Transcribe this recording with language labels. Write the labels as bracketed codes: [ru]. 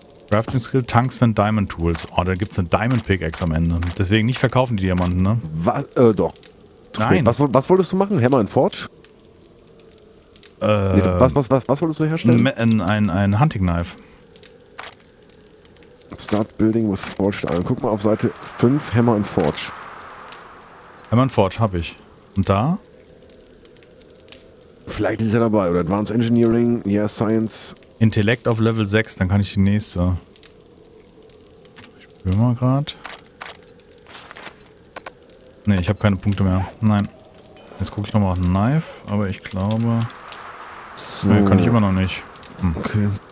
[en] Crafting Skill, Tanks and Diamond Tools. [de] Oh, da gibt es eine Diamond Pickaxe am Ende. Deswegen nicht verkaufen die Diamanten, ne? Was? Doch. Nein. Was wolltest du machen? Hammer and Forge? Was wolltest du herstellen? Ein Hunting Knife. [en] Start building with Forged Iron. [de] Guck mal auf Seite 5, Hammer and Forge. Hammer and Forge habe ich. Und da? Vielleicht ist er dabei. Oder Advanced Engineering, yeah, Science. Intellekt auf Level 6, dann kann ich die nächste. Ich spüre mal gerade. Ne, ich habe keine Punkte mehr. Nein. Jetzt gucke ich nochmal auf Knife, aber ich glaube. So. Nee, kann ich immer noch nicht. Hm. Okay.